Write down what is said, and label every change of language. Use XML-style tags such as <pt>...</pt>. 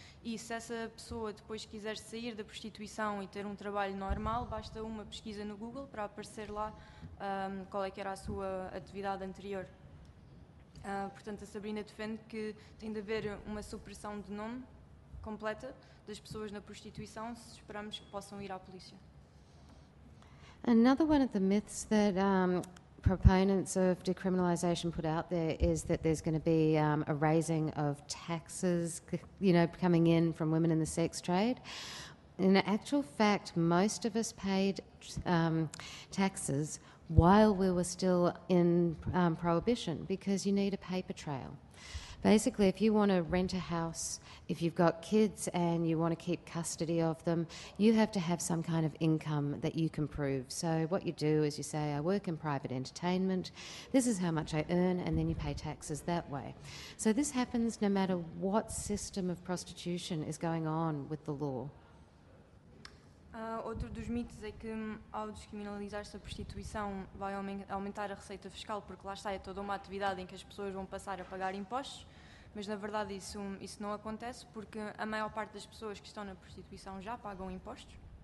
<pt>E se essa pessoa depois quiser sair da prostituição e ter um trabalho normal, basta uma pesquisa no Google para aparecer lá qual é que era a sua atividade anterior. Portanto, a Sabrina defende que tem de haver uma supressão de nome completa das pessoas na prostituição se esperamos que possam ir à polícia.</pt> <en>Another one of the myths that proponents of decriminalisation put out there is that there's going to be a raising of taxes, you know, coming in from women in the sex trade. In actual fact, most of us paid taxes while we were still in prohibition because you need a paper trail. Basically, if you want to rent a house, if you've got kids and you want to keep custody of them, you have to have some kind of income that you can prove. So what you do is you say, I work in private entertainment, this is how much I earn, and then you pay taxes that way. So this happens no matter what system of prostitution is going on with the law.</en> <pt>Outro dos mitos é que ao descriminalizar-se a prostituição vai aumentar a receita fiscal, porque lá está, é toda uma atividade em que as pessoas vão passar a pagar impostos, mas na verdade isso não acontece porque a maior parte das pessoas que estão na prostituição já pagam impostos,</pt>